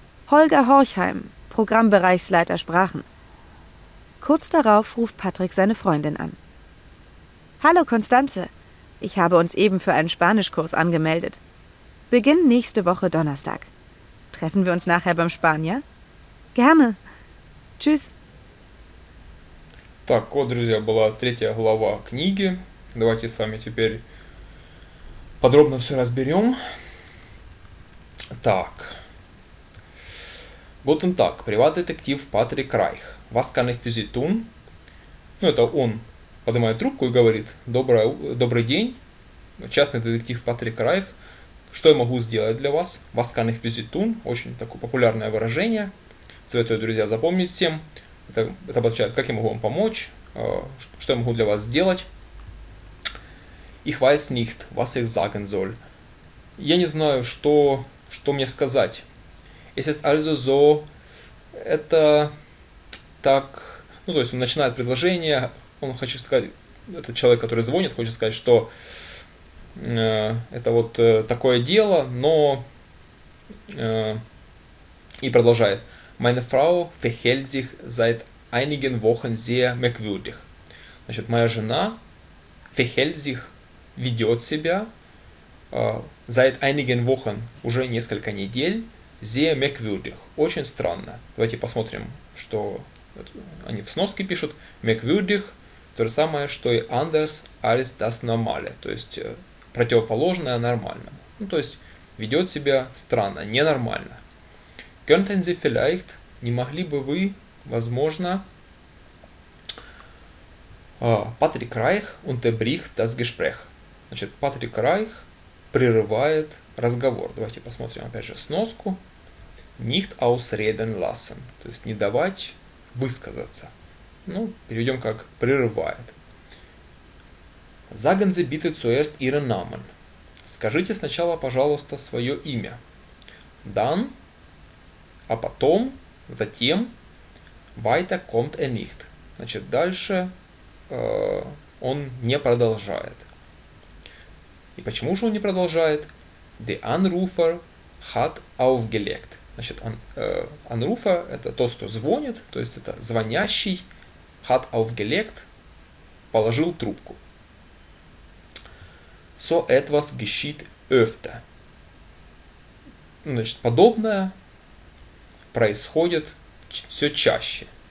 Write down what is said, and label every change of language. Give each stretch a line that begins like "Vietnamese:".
German: Holger Horchheim, Programmbereichsleiter Sprachen. Kurz darauf ruft Patrick seine Freundin an. Hallo, Constanze. Ich habe uns eben für einen Spanischkurs angemeldet. Beginn nächste Woche Donnerstag. Treffen wir uns nachher beim Spanier? Gerne. Tschüss.
Russian: Так, вот, друзья, была третья глава книги. Давайте с вами теперь подробно все разберем. Так.
German: Guten Tag, Privatdetektiv Patrick Reich. Was kann ich für Sie tun?
Russian: Ну, это он поднимает трубку и говорит: добрый день, частный детектив Патрик Райх. Что я могу сделать для вас?
German: Was kann ich für Sie tun?
Russian: Очень такое популярное выражение. Советую, друзья, запомнить всем. Это означает, как я могу вам помочь, что я могу для вас сделать.
German: Ich weiß nicht, was ich sagen soll.
Russian: Я не знаю, что мне сказать.
German: Es ist also so,
Russian: это... Так, ну то есть он начинает предложение, он хочет сказать, этот человек, который звонит, хочет сказать, что это вот такое дело, но и продолжает.
German: Meine Frau verhält sich seit einigen Wochen sehr merkwürdig.
Russian: Значит, моя жена
German: verhält sich,
Russian: ведет себя
German: seit einigen Wochen,
Russian: уже несколько недель,
German: sehr merkwürdig.
Russian: Очень странно. Давайте посмотрим, что... Они в сноске пишут «merkwürdig», то же самое, что и
German: «anders als das normale»,
Russian: то есть противоположное нормальному. Ну, то есть ведет себя странно, ненормально.
German: Könnten Sie vielleicht,
Russian: не могли бы вы, возможно, Патрик Райх
German: unterbricht das Gespräch.
Russian: Значит, Патрик Райх прерывает разговор. Давайте посмотрим опять же сноску.
German: Nicht ausreden lassen.
Russian: То есть не давать высказаться. Ну, переведем как прерывает.
German: Sagen Sie bitte zuerst Ihren Namen.
Russian: Скажите сначала, пожалуйста, свое имя.
German: Dann,
Russian: а потом, затем,
German: weiter kommt er nicht.
Russian: Значит, дальше он не продолжает. И почему же он не продолжает?
German: Der Anrufer hat aufgelegt.
Russian: Значит, Anrufer – это тот, кто звонит, то есть это звонящий,
German: hat aufgelegt,
Russian: положил трубку.
German: So etwas geschieht öfter.
Russian: Значит, подобное происходит все чаще.